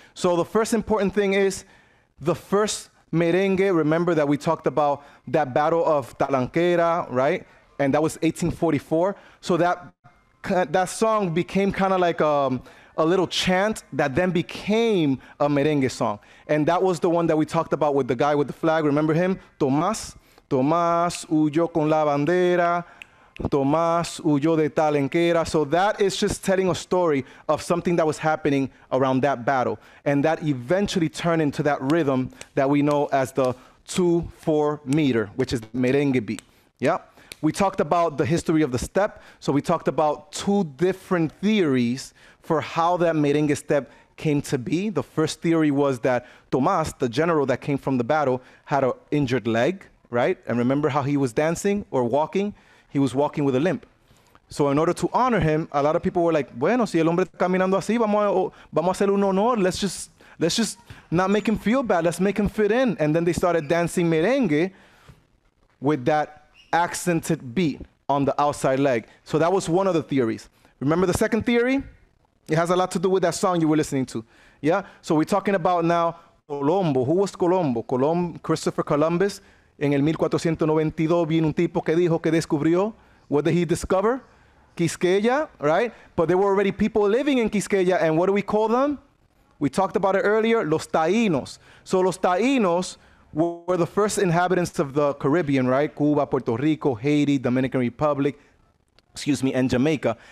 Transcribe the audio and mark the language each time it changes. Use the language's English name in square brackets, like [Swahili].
[English] So the first important thing is the first merengue, remember that we talked about that battle of Talanquera, right? And that was 1844. So that song became kind of like a little chant that then became a merengue song. And that was the one that we talked about with the guy with the flag, remember him? [Spanish] Tomás, Tomás huyó con la bandera. Tomás huyó de Talanquera. [English] So that is just telling a story of something that was happening around that battle. And that eventually turned into that rhythm that we know as the 2-4 meter, which is merengue beat. Yep. We talked about the history of the step. So we talked about two different theories for how that merengue step came to be. The first theory was that Tomás, the general that came from the battle, had an injured leg, right? And remember how he was dancing or walking? He was walking with a limp. So in order to honor him, a lot of people were like, bueno, si el hombre está caminando así, vamos a hacer un honor. Let's just not make him feel bad. Let's make him fit in. And then they started dancing merengue with that accented beat on the outside leg. So that was one of the theories. Remember the second theory? It has a lot to do with that song you were listening to. Yeah? So we're talking about now Colombo. Who was Colombo? Christopher Columbus. [Spanish] En el 1492 vino un tipo que dijo que descubrió. [English] What did he discover? Quisqueya, right? But there were already people living in Quisqueya, and what do we call them? We talked about it earlier, los Taínos. So los Taínos were the first inhabitants of the Caribbean, right? Cuba, Puerto Rico, Haiti, Dominican Republic, and Jamaica.